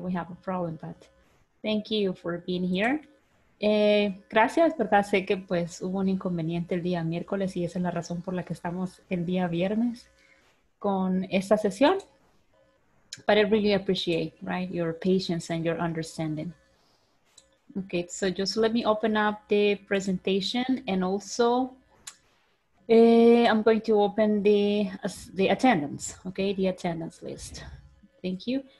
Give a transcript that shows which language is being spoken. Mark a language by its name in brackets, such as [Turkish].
[English] We have a problem, but thank you for being here. [Spanish] Gracias, ¿verdad? Sé que pues hubo un inconveniente el día miércoles y esa es la razón por la que estamos el día viernes con esta sesión. [English] But I really appreciate, right, your patience and your understanding. Okay, so just let me open up the presentation, and also I'm going to open the attendance, okay, the attendance list. Thank you.